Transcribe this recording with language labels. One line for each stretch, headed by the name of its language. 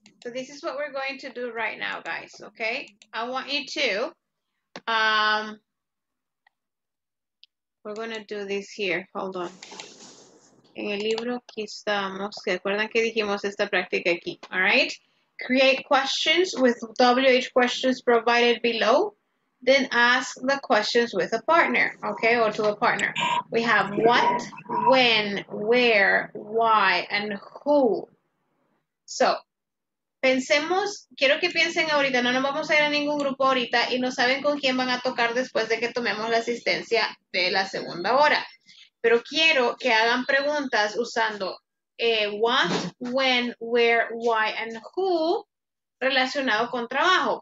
English: So this is what we're going to do right now, guys, okay? I want you to, we're gonna do this here, hold on.
Spanish: En el libro aquí estamos, ¿se acuerdan que dijimos esta práctica aquí?
English: All right, create questions with WH questions provided below, then ask the questions with a partner, okay, or to a partner. We have what, when, where, why, and who.
Spanish: So, pensemos, quiero que piensen ahorita, no nos vamos a ir a ningún grupo ahorita y no saben con quién van a tocar después de que tomemos la asistencia de la segunda hora. Pero quiero que hagan preguntas usando
English: what, when, where, why, and who
Spanish: relacionado con trabajo.